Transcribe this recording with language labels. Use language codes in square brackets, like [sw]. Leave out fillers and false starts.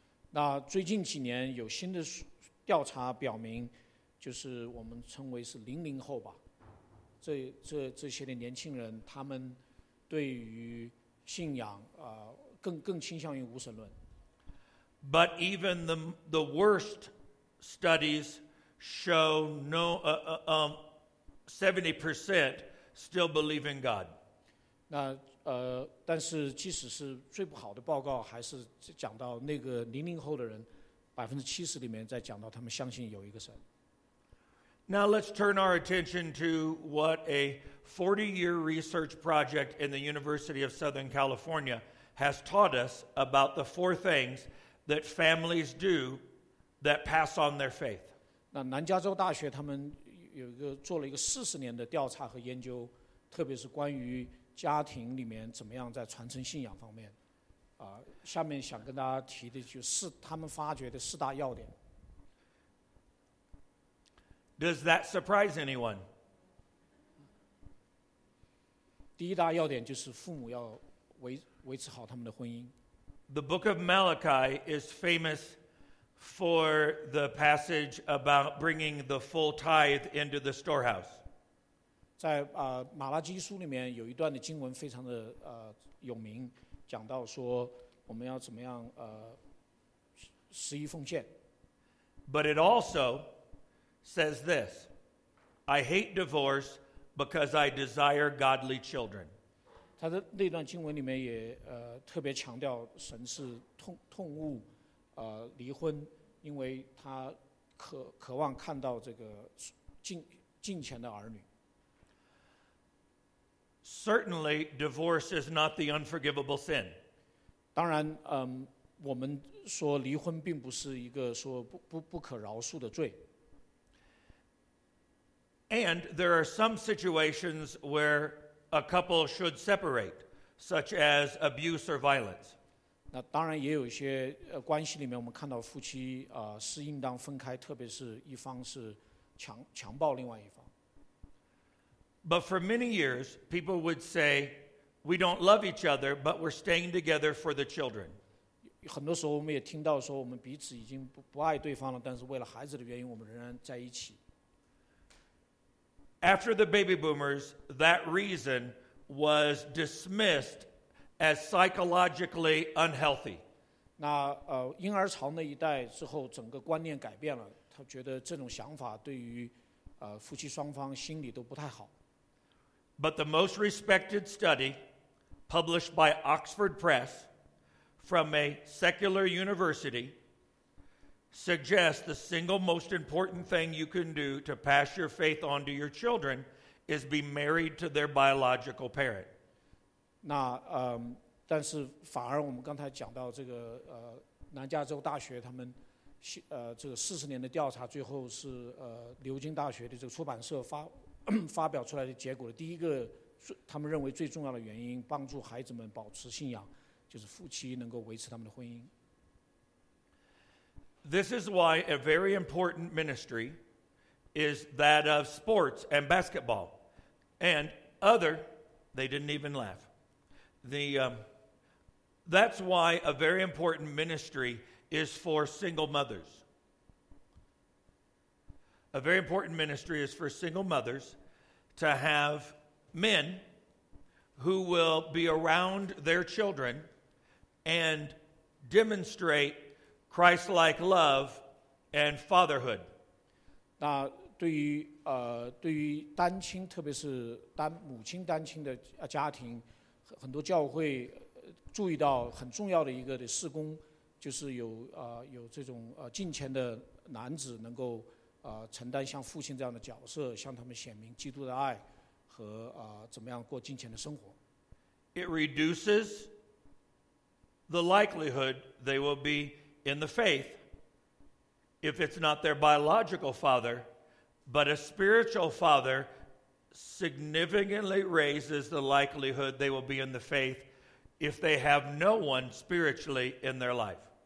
[zh] 那最近几年有新的调查表明，就是我们称为是零零后吧，这些的年轻人他们对于信仰更倾向于无神论。 [en] But even the worst studies show no 70% still believe in God. [zh] 那但是即使是最不好的报告，还是讲到那个零零后的人70%里面在讲到他们相信有一个神。 [en] Now let's turn our attention to what a 40-year research project in the University of Southern California. Has taught us about the 4 things that families do that pass on their faith. [zh] 那南加州大学他们做了一个40年的调查和研究，特别是关于家庭里面怎么样在传承信仰方面。下面想跟大家提的就是他们发掘的4大要点。 [en] Does that surprise anyone? [zh] 第一大要点就是父母要维持好他们的婚姻。 [en] The book of Malachi is famous for the passage about bringing the full tithe into the storehouse. [zh] 在马拉基书里面有一段的经文非常的有名，讲到说我们要怎么样十一奉献。 [en] But it also says this, I hate divorce because I desire godly children. [zh] 他的那段经文里面也特别强调神是痛恶离婚，因为他渴望看到这个近前的儿女。 [en] Certainly, divorce is not the unforgivable sin. [zh] 当然，我们说离婚并不是一个说不可饶恕的罪。 [en] And there are some situations where a couple should separate, such as abuse or violence. [zh] 那当然也有一些关系里面，我们看到夫妻是应当分开，特别是一方是强暴另外一方。 [en] But for many years, people would say, we don't love each other, but we're staying together for the children. [zh] 很多时候我们也听到说我们彼此已经不爱对方了，但是为了孩子的原因我们仍然在一起。 [en] After the baby boomers, that reason was dismissed as psychologically unhealthy. [zh] 那婴儿潮那一代之后整个观念改变了，他觉得这种想法对于夫妻双方心理都不太好。 [en] But the most respected study published by Oxford Press from a secular university suggests the single most important thing you can do to pass your faith on to your children is be married to their biological parent. [zh] 那但是反而我们刚才讲到这个南加州大学他们这个40年的调查，最后是牛津大学的这个出版社发表出来的结果的第一个，他们认为最重要的原因，帮助孩子们保持信仰，就是夫妻能够维持他们的婚姻。 [en] This is why a very important ministry is that of sports and basketball, and other. They didn't even laugh. That's why a very important ministry is for single mothers. A very important ministry is for single mothers to have men who will be around their children and demonstrate Christ-like love and fatherhood. [zh] 那对于单亲，特别是母亲单亲的家庭，很多教会注意到很重要的一个的事工，就是有这种近前的男子能够承担像父亲这样的角色，向他们显明基督的爱和怎么样过近前的生活。 [en] It reduces the likelihood they will be in the faith if it's not their biological father, but a spiritual father significantly raises the likelihood they will be in the faith if they have no one spiritually in their life.